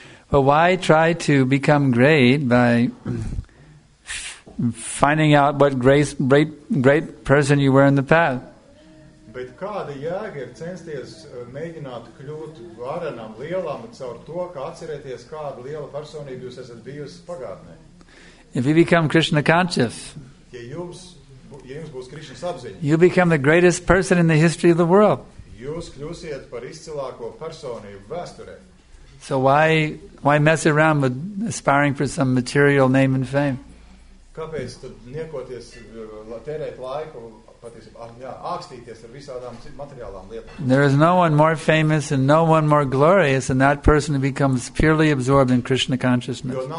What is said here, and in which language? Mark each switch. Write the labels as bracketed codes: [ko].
[en] But why try to become great by finding out what great person you were in the past? [lv] Bet kāda jēga ir censties mēģināt kļūt varenam lielam caur to, ka atcerēties, kāda liela personība jūs esat bijusi pagātnē? [en] If you become Krishna conscious, [lv] ja jums būs Krišnas apziņa, [en] you become the greatest person in the history of the world. [lv] Jūs kļūsiet par izcilāko personību vēsturē. [en] So why mess around with aspiring for some material name and fame? [lv] Kāpēc tad niekoties tērēt laiku, [en] There is no one more famous and no one more glorious than that person who becomes purely absorbed in Krishna consciousness.